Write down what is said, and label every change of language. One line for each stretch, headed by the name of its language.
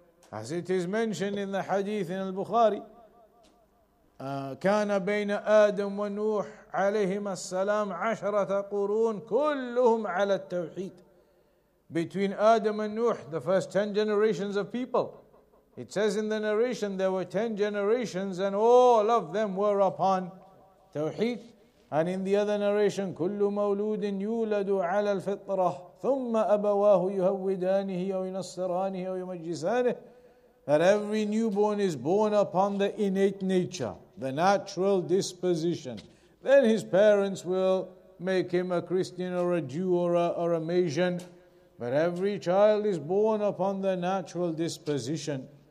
English: As it is mentioned in the hadith in al-Bukhari,
Arabic: كان بين آدم ونوح عليهم السلام عشرة قرون كلهم على التوحيد.
English: Between Adam and Nuh, the first 10 generations of people, it says in the narration there were 10 generations and all of them were upon توحيد. And in the other narration,
Arabic: كل مولود يولد على الفطرة ثم أبواه يهودانه أو ينصرانه أو يمجسانه.
English: That every newborn is born upon the innate nature, the natural disposition. Then his parents will make him a Christian or a Jew or a Magian. But every child is born upon the natural disposition.